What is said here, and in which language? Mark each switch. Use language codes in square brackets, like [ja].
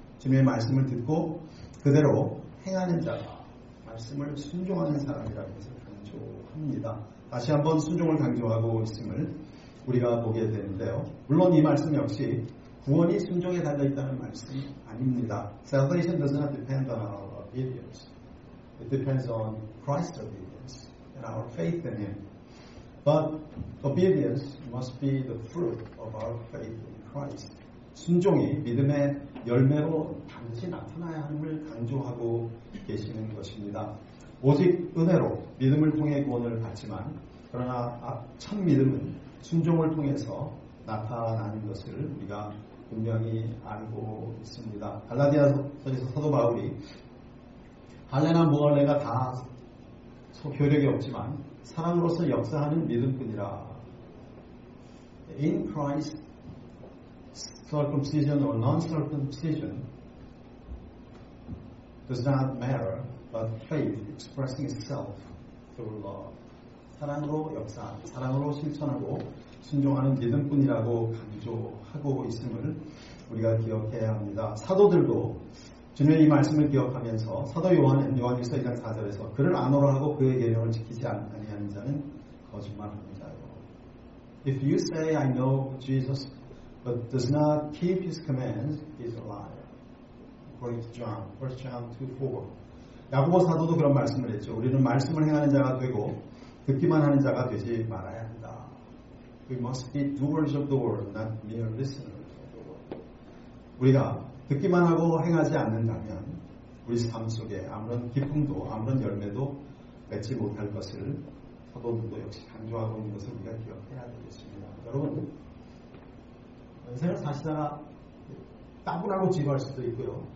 [ko] 주님의 말씀을 듣고 그대로 행하는 자가 말씀을 순종하는 사람이라고 강조합니다. 다시 한번 순종을 강조하고 있음을 우리가 보게 되는데요. 물론 이 말씀 역시 구원이 순종에 달려있다는 말씀이 아닙니다. [en] Salvation does not depend on our obedience. It depends on Christ's obedience and our faith in Him. But obedience must be the fruit of our faith in Christ. [ko] 순종이 믿음의 열매로 반드시 나타나야 함을 강조하고 계시는 것입니다. 오직 은혜로 믿음을 통해 구원을 받지만 그러나 참 믿음은 순종을 통해서 나타나는 것을 우리가 분명히 알고 있습니다. 갈라디아서에서 사도 바울이 할례나 무할례가 다 효력이 없지만 사랑으로서 역사하는 믿음뿐이라 [en] In Christ circumcision or non-circumcision does not matter but faith expressing itself through love [ko] 사랑으로 역사, 사랑으로 실천하고 순종하는 믿음뿐이라고 강조하고 있음을 우리가 기억해야 합니다. 사도들도 주님의 이 말씀을 기억하면서 사도 요한은 요한일서 2장 4절에서 그를 안으로 하고 그의 계명을 지키지 아니하는 자는 거짓말합니다. [en] If you say I know Jesus but does not keep his commands, he's a liar. According to John, 1 John 2:4. [ko] 야고보 사도도 그런 말씀을 했죠. 우리는 말씀을 행하는 자가 되고 듣기만 하는 자가 되지 말아야 한다. [en] We must be doers of the word, not mere listeners of the word. [ko] 우리가 듣기만 하고 행하지 않는다면 우리 삶 속에 아무런 기쁨도 아무런 열매도 맺지 못할 것을 사도들도 역시 강조하고 있는 것을 우리가 기억해야 되겠습니다. 여러분, 인생을 사시다가 따분하고 지루할 수도 있고요.